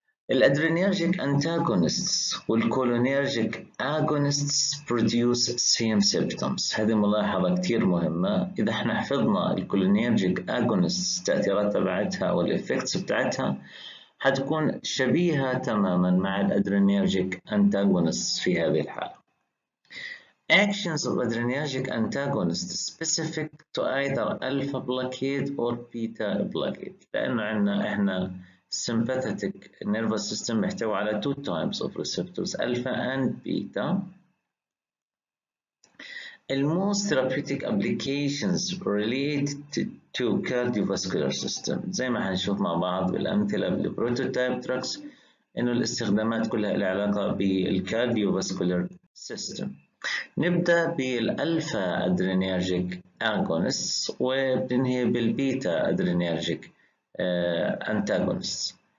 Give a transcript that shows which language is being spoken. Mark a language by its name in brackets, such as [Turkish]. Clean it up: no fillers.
[English] الأدرينيرجيك أنتاغونيستس والكولونيرجيك agonists produce same symptoms, [Arabic] هذه ملاحظة كتير مهمة. إذا احنا حفظنا الكولونيرجيك أغونيستس التأثيرات تبعتها والإفكتس بتاعتها هتكون شبيهة تماما مع الأدرينيرجيك أنتاغونست في هذه الحالة. [English] Actions of Adrenergic Antagonist specific to either alpha blockade or beta blockade، [Arabic] لأنه عندنا إحنا [English] sympathetic nervous system [Arabic] يحتوي على [English] two types of receptors alpha and beta. The most therapeutic applications relate to cardiovascular system، [Arabic] زي ما هنشوف مع بعض بالأمثلة بالبروتوتايب دراجز إنه الاستخدامات كلها لها علاقة بالكارديوفاسكولار سيستم. نبدأ بالألفا أدرينيرجيك أنتاغونيست وبننهي بالبيتا أدرينيرجيك أنتاغونيست.